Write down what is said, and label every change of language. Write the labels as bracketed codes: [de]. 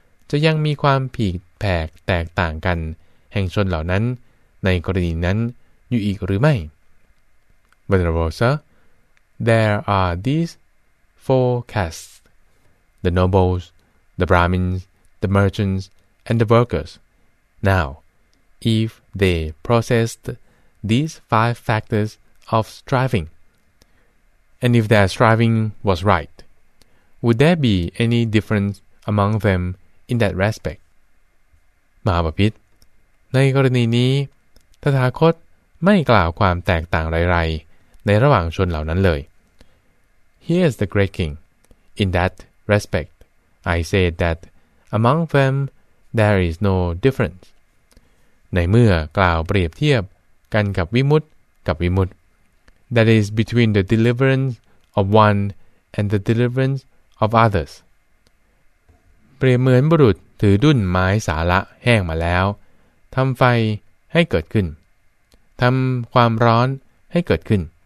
[th] จะยังมีความผิดแผกแตกต่างกันแห่งชนเหล่านั้นในกรณีนั้นอยู่อีกหรือไม่ [en] Venerable Sir, there are these four castes, the nobles, the Brahmins, the merchants, and the workers. Now, if they possessed these five factors of striving, and if their striving was right,Would there be any difference among them in that respect? [th] มหาบพิตรในกรณีนี้ตถาคตไม่กล่าวความแตกต่างไรๆในระหว่างชนเหล่านั้นเลย [en] Here is the great king. In that respect, I say that among them there is no difference. [th] ในเมื่อกล่าวเปรียบเทียบกันกับวิมุตติกับวิมุตติ [en] That is between the deliverance of one and the deliveranceof others [th] เปรียบเหมือนบุรุษถือดุ่นไม้สาระแห้งมาแล้วทำไฟให้เกิดขึ้นทำความร้อนให้เกิดขึ้น